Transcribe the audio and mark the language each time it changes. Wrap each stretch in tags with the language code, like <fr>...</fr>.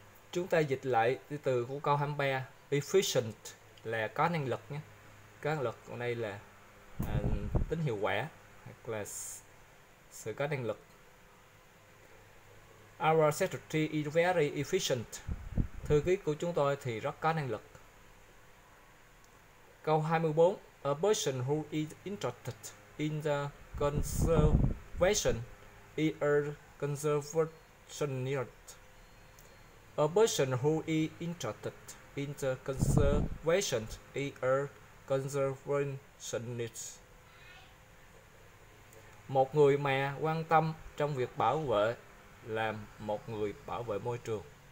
<vi>Chúng ta dịch lại từ của câu 23, efficient là có năng lực nhé. Có năng lực ở đây là tính hiệu quả hoặc là sự có năng lực.</vi> <en>Our secretary is very efficient.</en> <vi>Thư ký của chúng tôi thì rất có năng lực.</vi> <en>Câu 24, a person who is interested in the conservation is a conservationist. A person who is interested in the conservation is a conservationist.</en> <vi>Một người mà quan tâm trong việc bảo vệ, làm một người bảo vệ môi trường.</vi>